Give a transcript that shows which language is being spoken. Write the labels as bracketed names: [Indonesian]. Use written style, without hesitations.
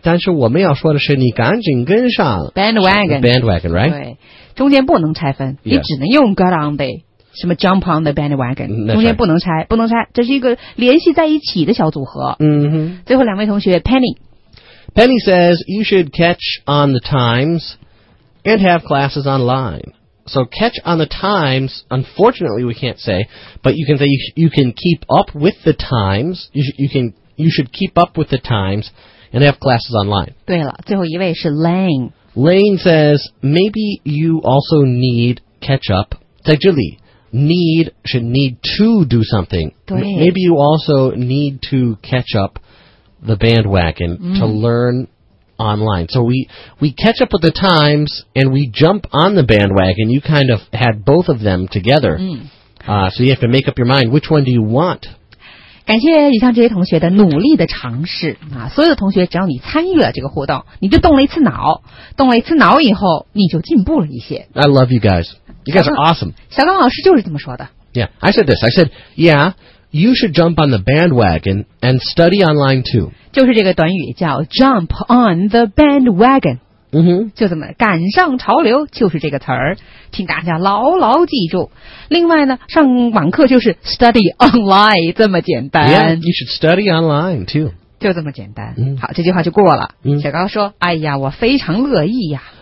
[Chinese] 但是我们要说的是你赶紧跟上 [English] bandwagon, right? [Chinese] 对中间不能拆分、 [English] yes. [Chinese] 你只能用 [English] got on the... [Chinese] 什么 [English] jump on the bandwagon、 right. [Chinese] 中间不能拆不能拆这是一个联系在一起的小组合、 mm-hmm. 最后两位同学 Penny [English] Penny says you should catch on the times and have classes online so catch on the times unfortunately we can't say but you can say you can keep up with the times you should keep up with the times and have classes online [Chinese] 对了最后一位是 Lane [English] Lane says maybe you also need catch up [Chinese] 在这里 [English] Need, should need to do something. Maybe you also need to catch up the bandwagon、to learn online. So we catch up with the times and we jump on the bandwagon. You kind of had both of them together.、so you have to make up your mind. Which one do you want? [Chinese] 感谢以上这些同学的努力的尝试啊！所有的同学，只要你参与了这个互动，你就动了一次脑，动了一次脑以后，你就进步了一些。 [English] I love you guys. You guys are awesome. [Chinese] 小刚老师就是这么说的。 [English] Yeah, I said this. I said, yeah, you should jump on the bandwagon and study online too. [Chinese] 就是这个短语叫 [English] jump on the bandwagon。 [Chinese] 嗯哼，就这么赶上潮流就是这个词儿，请大家牢牢记住。另外呢，上网课就是 [English] study online [Chinese] 这么简单。 [English] Yeah, you should study online too. [Chinese] 就这么简单。好，这句话就过了。小高说：“哎呀，我非常乐意呀。”